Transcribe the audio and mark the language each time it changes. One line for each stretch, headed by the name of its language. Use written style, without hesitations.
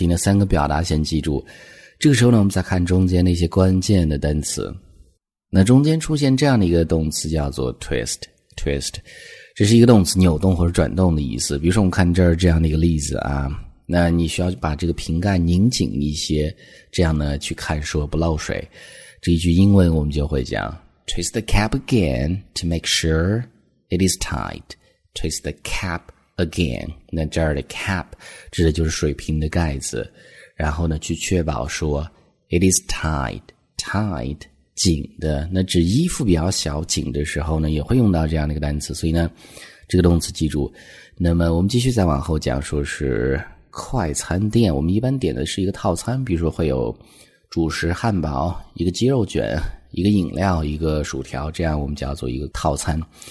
Chinese: 所以呢三个表达先记住。这个时候呢我们再看中间那些关键的单词。那中间出现这样的一个动词叫做 twist， 这是一个动词，扭动或者转动的意思。比如说我们看这儿这样的一个例子啊，那你需要把这个瓶盖拧紧一些，这样呢去看说不漏水。这一句英文我们就会讲
English: twist the cap again to make sure it is tight， twist the capAgain，
Chinese: 那这儿的 cap 指的就是水瓶的盖子，然后呢去确保说
English: it is tight
Chinese: 紧的。那指衣服比较小紧的时候呢也会用到这样的一个单词，所以呢这个动词记住。那么我们继续再往后讲，说是快餐店我们一般点的是一个套餐，比如说会有主食汉堡，一个鸡肉卷，一个饮料，一个薯条，这样我们叫做一个套餐。